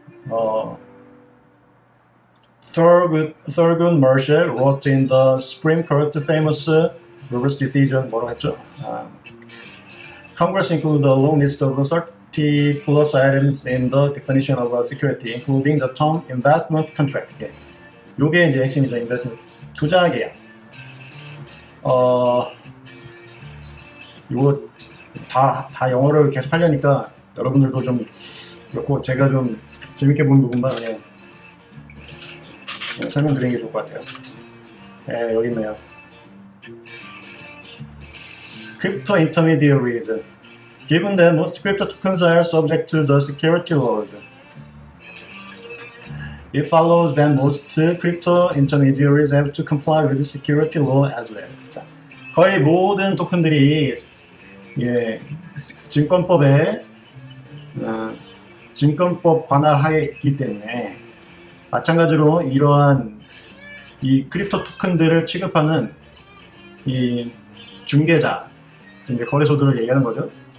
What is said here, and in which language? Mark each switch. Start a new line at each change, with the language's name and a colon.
English: Thurgood Marshall wrote in the Supreme Court famous Roberts decision
Korean: 뭐라고 했죠?
English: Congress include a long list of plus items in the definition of a security, including the term investment contract.
Korean: 이게 요게 이제 핵심이죠. investment 투자 계약. 이거 다 영어를 계속 하려니까 여러분들도 좀 그렇고 제가 좀 재밌게 본 부분만 그냥 설명드리는 게 좋을 것 같아요. 네, 여기 있네요.
English: Crypto intermediaries. Given that most crypto tokens are subject to the security laws, It follows that most crypto intermediaries have to comply with the security law as well.
Korean: 자, 거의 모든 토큰들이 예, 증권법에 증권법 관할하에 있기 때문에 마찬가지로 이러한 이 크립토 토큰들을 취급하는 이 중개자 이제 거래소들을 얘기하는 거죠.